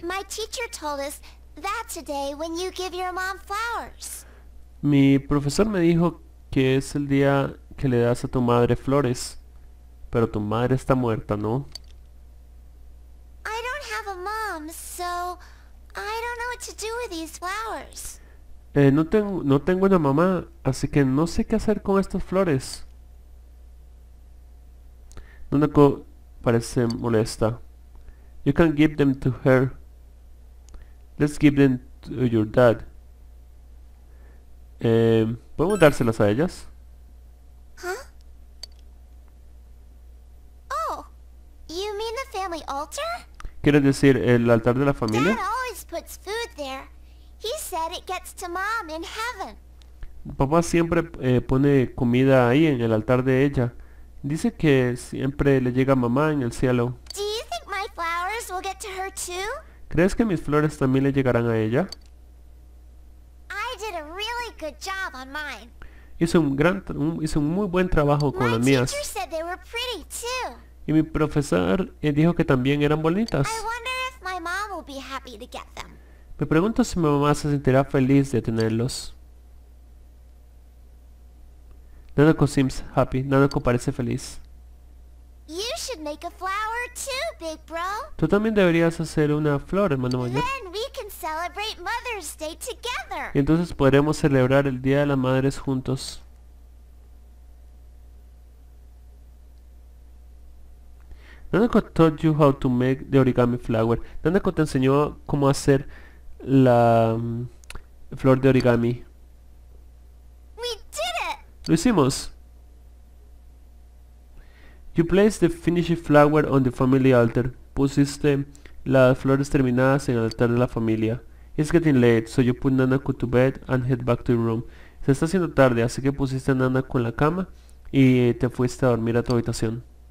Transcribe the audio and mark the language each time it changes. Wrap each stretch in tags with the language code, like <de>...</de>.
<en>My teacher told us that's a day when you give your mom flowers.</en> <es>Mi profesor me dijo que es el día que le das a tu madre flores, pero tu madre está muerta, ¿no?</es> <en>I don't have a mom, so I don't know what to do with these flowers.</en> <es>No tengo una mamá, así que no sé qué hacer con estas flores. Nanako parece molesta.</es> <en>You can give them to her. Let's give them to your dad.</en> <es>¿Podemos dárselas a ellas?</es> <en>Huh? Oh, you mean the family altar?</en> <es>¿Quieres decir el altar de la familia?</es> <en>Dad always puts food there. He said it gets to mom in heaven.</en> <es>Papá siempre pone comida ahí en el altar de ella. Dice que siempre le llega mamá en el cielo.</es> <en>Do you think my flowers will get to her too?</en> <es>¿Crees que mis flores también le llegarán a ella?</es> <en>I did a really good job on mine.</en> <es>Hice un muy buen trabajo con</es> <en>my</en> <es>las mías.</es> <en>Teacher said they were pretty too.</en> <es>Y mi profesor dijo que también eran bonitas.</es> <en>I wonder if my mom will be happy to get them.</en> <es>Me pregunto si mi mamá se sentirá feliz de tenerlos.</es> <en>Nanako seems happy.</en> <es>Nanako parece feliz.</es> <en>You should make a flower too, big bro.</en> <es>Tú también deberías hacer una flor, hermano mayor.</es> <en>Then we can celebrate Mother's Day together.</en> <es>Y entonces podremos celebrar el Día de las Madres juntos.</es> <en>Nanako taught you how to make the origami flower.</en> <es>Nanako te enseñó cómo hacer la flor de origami.</es> <en>We did it.</en> <es>Lo hicimos.</es> <en>You place the finished flower on the family altar.</en> <es>Pusiste las flores terminadas en el altar de la familia.</es> <en>It's getting late, so you put Nanako to bed and head back to your room.</en> <es>Se está haciendo tarde, así que pusiste a Nanako en la cama y te fuiste a dormir a tu habitación.</es>